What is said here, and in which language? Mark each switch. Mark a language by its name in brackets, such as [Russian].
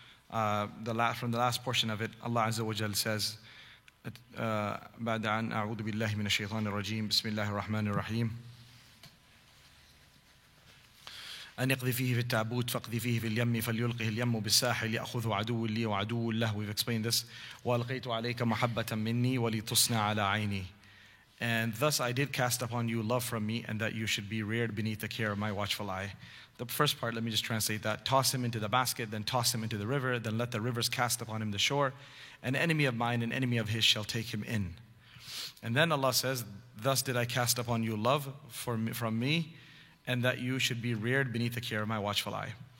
[English] From the last portion of it, [Arabic] Allah Azza wa Jal says, بعد عن أعوذ بالله من الشيطان الرجيم بسم الله الرحمن الرحيم أن يقذف فيه في التابوت فقذف فيه في اليم فليلقه اليم بالساحل يأخذه عدو لي وعدو له. [English] We've explained this. [Arabic] وألقيت عليك محبة مني ولتصنع على عيني. [English] And thus I did cast upon you love from me, and that you should be reared beneath the care of my watchful eye. The first part, let me just translate that. Toss him into the basket, then toss him into the river, then let the rivers cast upon him the shore. An enemy of mine, an enemy of his shall take him in. And then Allah says, thus did I cast upon you love from me, and that you should be reared beneath the care of my watchful eye.